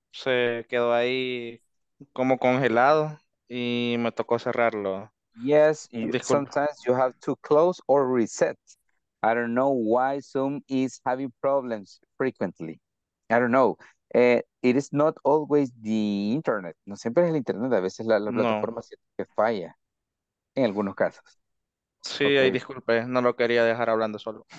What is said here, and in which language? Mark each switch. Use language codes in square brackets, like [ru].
[es] Se quedó ahí como congelado y me tocó cerrarlo. [en] Yes, sometimes you have to close or reset. I don't know why Zoom is having problems frequently. I don't know. It is not always the internet. [es] No siempre es el internet. A veces la plataforma que falla en algunos casos. Sí, okay. Y disculpe, no lo quería dejar hablando solo.